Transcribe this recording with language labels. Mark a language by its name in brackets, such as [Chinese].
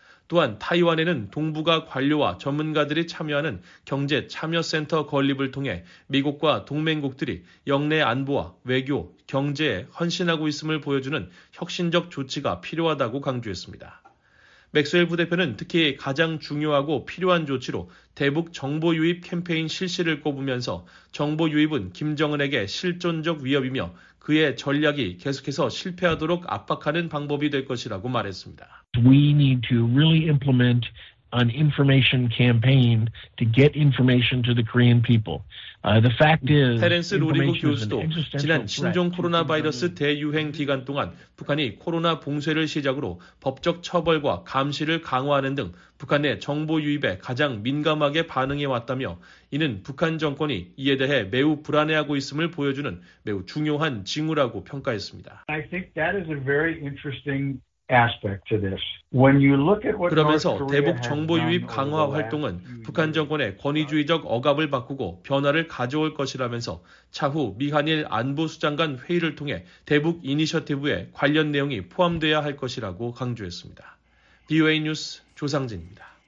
[Korean] 또한 타이완에는 동북아 관료와 전문가들이 참여하는 경제참여센터 건립을 통해 미국과 동맹국들이 영내 안보와 외교, 경제에 헌신하고 있음을 보여주는 혁신적 조치가 필요하다고 강조했습니다. 맥스웰 부대표는 특히 가장 중요하고 필요한 조치로 대북 정보 유입 캠페인 실시를 꼽으면서 정보 유입은 김정은에게 실존적 위협이며 그의 전략이 계속해서 실패하도록 압박하는 방법이 될 것이라고 말했습니다. [English] We need to really implement an information campaign to get information to the Korean people. The fact is, [Korean] 테렌스 로리그 교수도 지난 신종 코로나 바이러스 대유행 기간 동안 북한이 코로나 봉쇄를 시작으로 법적 처벌과 감시를 강화하는 등 북한 내 정보 유입에 가장 민감하게 반응해 왔다며 이는 북한 정권이 이에 대해 매우 불안해하고 있음을 보여주는 매우 중요한 징후라고 평가했습니다. [English] I think that is a very interesting aspect to this. When you look at what [Korean] 그러면서 대북 정보 유입 강화 활동은 북한 정권의 권위주의적 억압을 바꾸고 변화를 가져올 것이라면서 차후 미한일 안보수장 간 회의를 통해 대북 이니셔티브에 관련 내용이 포함되어야 할 것이라고 강조했습니다. BOA 뉴스 조상진입니다.